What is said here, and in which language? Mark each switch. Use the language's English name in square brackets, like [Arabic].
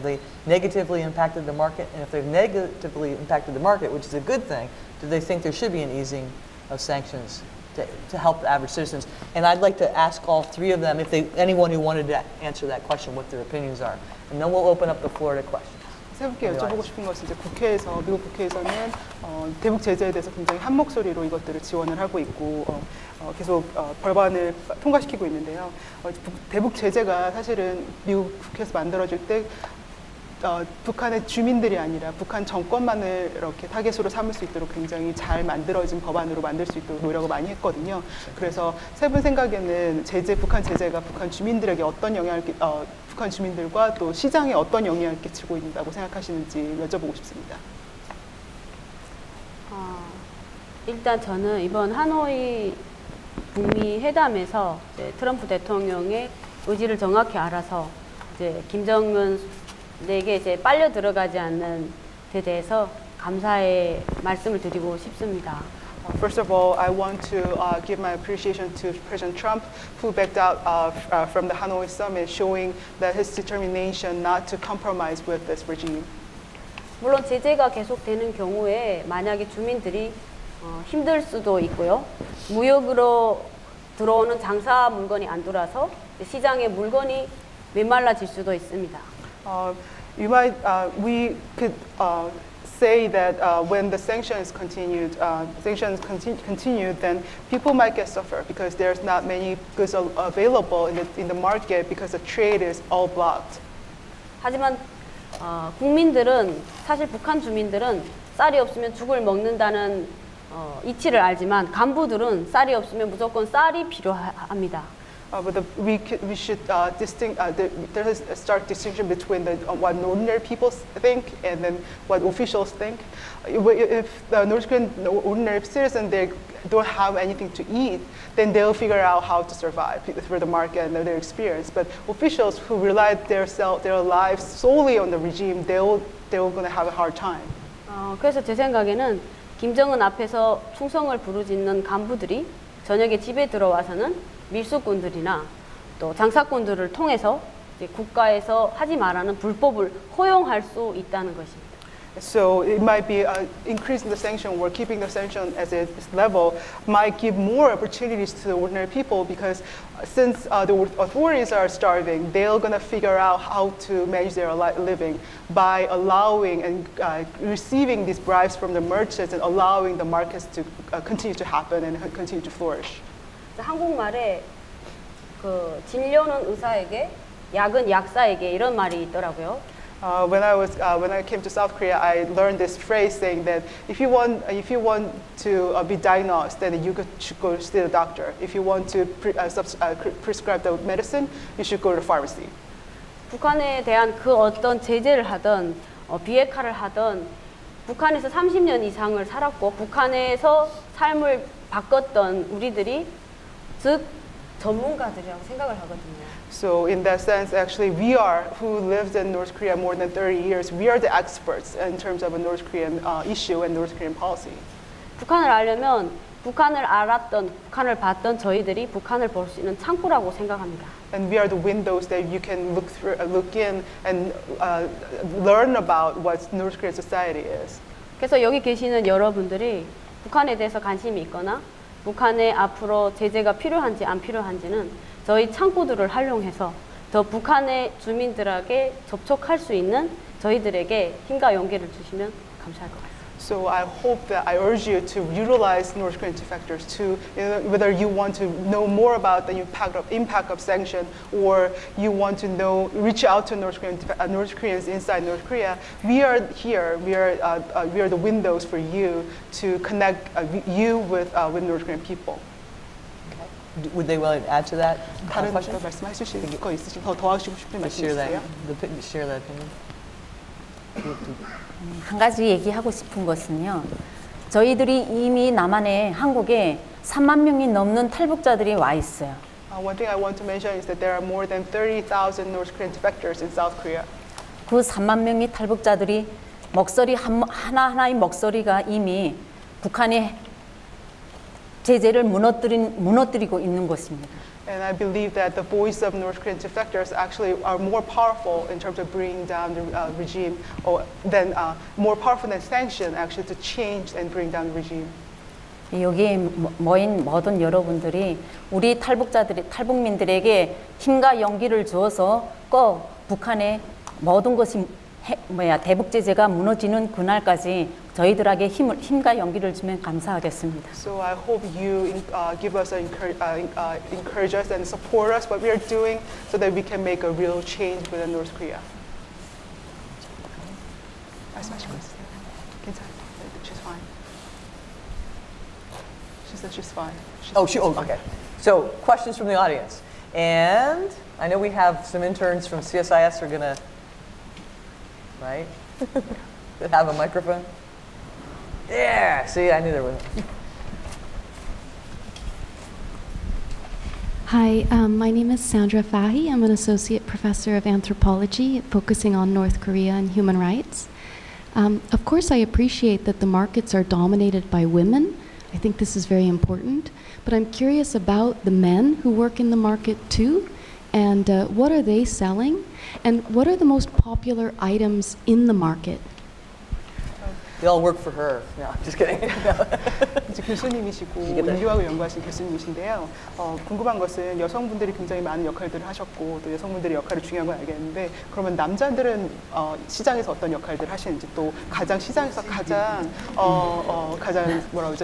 [English] Have they negatively impacted the market? And if they've negatively impacted the market, which is a good thing, do they think there should be an easing of sanctions to help the average citizens? And I'd like to ask all three of them, anyone who wanted to answer that question, what their opinions are. And then we'll open up the floor to questions. [Korean] 세 분께 여쭤보고 싶은 것은 이제 국회에서 미국 국회에서는 대북 제재에 대해서 굉장히 한 목소리로 이것들을 지원을 하고 있고 계속 법안을 통과시키고 있는데요. 대북 제재가 사실은 미국 국회에서 만들어질 때 북한의 주민들이 아니라 북한 정권만을 이렇게 타겟으로 삼을 수 있도록 굉장히 잘 만들어진 법안으로 만들 수 있도록 노력을 많이 했거든요. 그래서 세 분 생각에는 북한 제재가 북한 주민들에게 어떤 영향을 북한 주민들과 또 시장에 어떤 영향을 끼치고 있다고 생각하시는지 여쭤보고 싶습니다. 일단 저는 이번 하노이 북미 회담에서 이제 트럼프 대통령의 의지를 정확히 알아서 이제 김정은 내게 이제 빨려 들어가지 않는 데 대해서 감사의 말씀을 드리고 싶습니다. [English] First of all, I want to give my appreciation to President Trump, who backed out from the Hanoi summit, showing that his determination not to compromise with this regime. [Korean] 물론 제재가 계속되는 경우에 만약에 주민들이 힘들 수도 있고요. 무역으로 들어오는 장사 물건이 안 돌아서 시장에 물건이 메말라질 수도 있습니다. [English] Say that when the sanctions continue, then people might get suffer because there's not many goods available in the market because the trade is all blocked. [Korean] 하지만 국민들은 사실 북한 주민들은 쌀이 없으면 죽을 먹는다는 이치를 알지만 간부들은 쌀이 없으면 무조건 쌀이 필요합니다. [English] There is a stark distinction between what ordinary people think and then what officials think. If the North Korean ordinary citizen, they don't have anything to eat, then they'll figure out how to survive through the market and their experience. But officials who rely their lives solely on the regime, they're going to have a hard time. [Korean] 그래서 제 생각에는 김정은 앞에서 충성을 부르짖는 간부들이 저녁에 집에 들어와서는 밀수꾼들이나 또 장사꾼들을 통해서 이제 국가에서 하지 말라는 불법을 허용할 수 있다는 것입니다. [English] So it might be increasing the sanction or keeping the sanction as its level might give more opportunities to the ordinary people because since the authorities are starving, they're going to figure out how to manage their living by allowing and receiving these bribes from the merchants and allowing the markets to continue to happen and continue to flourish. [Korean] 한국말에 그 진료는 의사에게, 약은 약사에게 이런 말이 있더라고요. [English] When I came to South Korea, I learned this phrase saying that if you want to be diagnosed, then you should go to the doctor. If you want to prescribe the medicine, you should go to the pharmacy. [Korean] 북한에 대한 그 어떤 제재를 하든 비핵화를 하던 북한에서 30년 이상을 살았고 북한에서 삶을 바꿨던 우리들이 즉 전문가들이라고 생각을 하거든요. [English] So in that sense, actually, we are who lived in North Korea more than 30 years. We are the experts in terms of a North Korean issue and North Korean policy. [Korean] 북한을 알려면 북한을 알았던, 북한을 봤던 저희들이 북한을 볼 수 있는 창구라고 생각합니다. [English] And we are the windows that you can look through, look in, and learn about what North Korean society is. [Korean] 그래서 여기 계시는 여러분들이 북한에 대해서 관심이 있거나 북한의 앞으로 제재가 필요한지 안 필요한지는 저희 창구들을 활용해서 더 북한의 주민들에게 접촉할 수 있는 저희들에게 힘과 용기를 주시면 감사할 것 같습니다. [English] So I hope that I urge you to utilize North Korean factors to, whether you want to know more about the impact of sanction or you want to know, reach out to North Koreans inside North Korea. We are here, we are the windows for you to connect you with North Korean people. Would they want to add to that? [Korean] 다른 거 말씀하실 거 있으신 더 더하고 싶으신 말씀 있으세요? [English] Share that. [Korean] 한 가지 얘기하고 싶은 것은요. 저희들이 이미 남한에 한국에 3만 명이 넘는 탈북자들이 와 있어요. [English] One thing I want to mention is that there are more than 30,000 North Korean defectors in South Korea. [Korean] 그 3만 명의 탈북자들이 목소리 하나하나의 목소리가 이미 북한의 제재를 무너뜨리고 있는 것입니다. [English] And I believe that the voice of North Korean defectors actually are more powerful in terms of bringing down the regime, or than more powerful than sanction actually to change and bring down the regime. [Korean] 여기 모인 모든 여러분들이 우리 탈북자들이 탈북민들에게 힘과 용기를 주어서 꼭 북한의 모든 것이 대북 제재가 무너지는 그날까지 저희들에게 힘과 용기를 주면 감사하겠습니다. [English] So I hope you give us encourage us and support us what we are doing so that we can make a real change with North Korea. [Korean] 괜찮아요. [English] She's fine. She's fine. Oh, okay. So, questions from the audience. And I know we have some interns from CSIS who are going to right? Have a microphone? Yeah, see, I knew there was. Hi, my name is Sandra Fahey. I'm an associate professor of anthropology focusing on North Korea and human rights. Of course, I appreciate that the markets are dominated by women. I think this is very important. But I'm curious about the men who work in the market too. And what are they selling? And what are the most popular items in the market? They all work for her. No, just kidding. [Korean] 이제 교수님이시고 인류하고 연구하신 교수님이신데요. 궁금한 것은 여성분들이 굉장히 많은 역할들을 하셨고 또 여성분들의 역할이 중요한 걸 알겠는데 그러면 남자들은 시장에서 어떤 역할들을 하시는지 또 가장 시장에서 가장 가장 뭐라고 하죠?